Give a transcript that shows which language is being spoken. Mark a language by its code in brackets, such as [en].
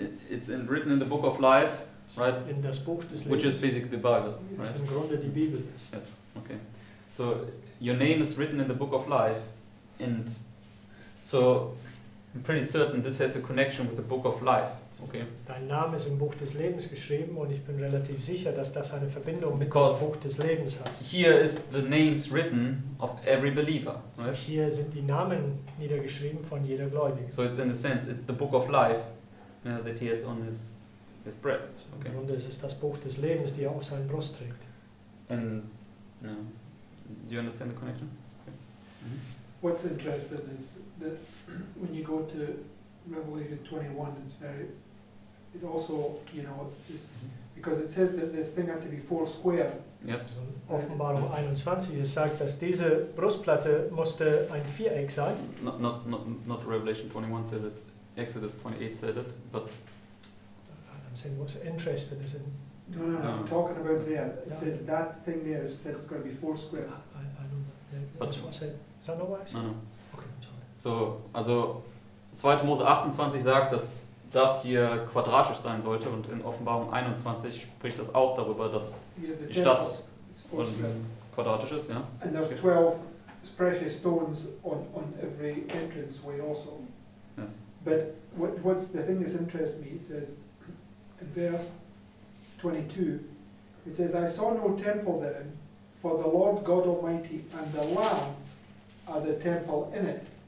[en] It's in, written in the book of life, right? [de] In das Buch des Lebens. [en] Which is basically the Bible, right? [de] Es ist im Grunde die Bibel. [en] Yes, okay. So, your name is written in the book of life, and so I'm pretty certain this has a connection with the book of life. It's okay. [de] Dein Name ist im Buch des Lebens geschrieben, und ich bin relativ sicher, dass das eine Verbindung mit dem Buch des Lebens hat. [en] Here is the names written of every believer. So right? [de] Hier sind die Namen niedergeschrieben von jeder Gläubigen. [en] So it's in a sense it's the book of life that he has on his breast. Okay. [de] Und es ist das Buch des Lebens, die er auf seinem Brust trägt. [en] And you know, do you understand the connection? Okay. Mm-hmm. What's interesting is that when you go to Revelation 21, it's very, it also, you know, is, because it says that this thing had to be four square. Yes. [de] Offenbarung 21, es sagt, dass diese Brustplatte musste ein Viereck sein. [en] Not Revelation 21 says it, Exodus 28 said it, but I'm saying what's interesting is in. No. I'm talking about there. It says that thing there said it's going to be four squares. I know that. But is that not what I said? No. Okay, sorry. So, also 2. [de] Mose 28 sagt, dass das hier quadratisch sein sollte, und in Offenbarung 21 spricht das auch darüber, dass die Stadt quadratisch ist, ja? [en] And there's 12 precious stones on every entrance way also. Yes. But what's the thing that interests me, it says in verse 22, it says, I saw no temple therein, for the Lord God Almighty and the Lamb are the temple in it.